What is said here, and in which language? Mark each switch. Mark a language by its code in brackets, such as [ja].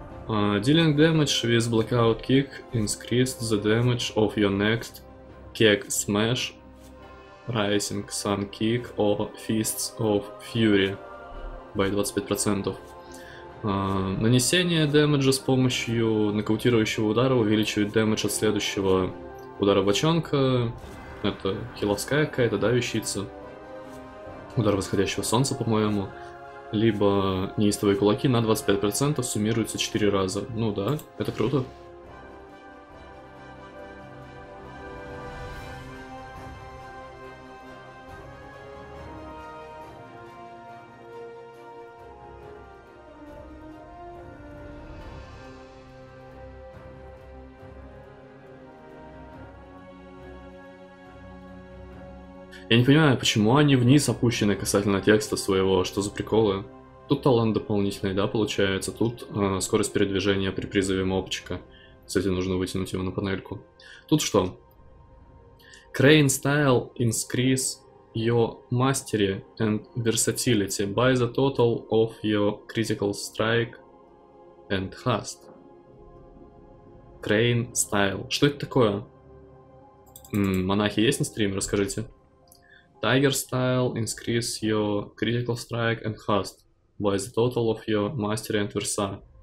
[en] Dealing damage with blackout kick increased the damage of your next kick smash, rising sun kick or fists of fury by 25%. [ru] Нанесение дэмэджа с помощью нокаутирующего удара увеличивает дэмэдж от следующего удара бочонка. Это хиловская какая-то, да, вещица. Удар восходящего солнца, по-моему. Либо неистовые кулаки на 25% суммируются 4 раза. Ну да, это круто. Я не понимаю, почему они вниз опущены касательно текста своего, что за приколы? Тут талант дополнительный, да, получается, тут скорость передвижения при призыве мопчика. Кстати, нужно вытянуть его на панельку. Тут что? [en] Crane style increase your mastery and versatility by the total of your critical strike and hast. [ru] Crane style. Что это такое? Монахи есть на стриме, расскажите. [en] Tiger style increase your critical strike and hast by the total of your mastery and versa.